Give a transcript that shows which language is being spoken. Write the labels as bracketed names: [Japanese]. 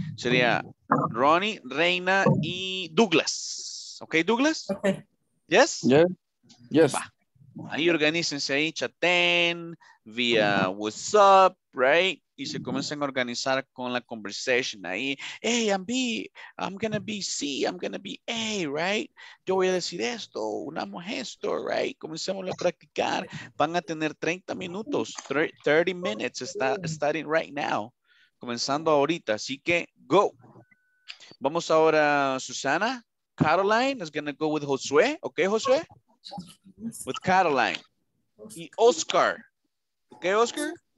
[Spanish] Sería Ronnie, Reina y Douglas. ¿Ok, Douglas? [English] Okay. ¿Yes? Yeah. Yes. Va. [Spanish] Ahí organícense ahí, chaten, vía WhatsApp, [English] right? [Spanish] Y se comienzan a organizar con la conversation ahí. [English] Hey, I'm B, I'm gonna be C, I'm gonna be A, right? [Spanish] Yo voy a decir esto, unamos esto, [English] right? [Spanish] Comencemos a practicar. Van a tener 30 minutos, [English] 30 minutes, starting right now. [Spanish] Comenzando ahorita, así que go. Vamos ahora, Susana. [English] Caroline is gonna go with Josué. Okay, Josué? With Caroline. Y Oscar. Okay, Oscar?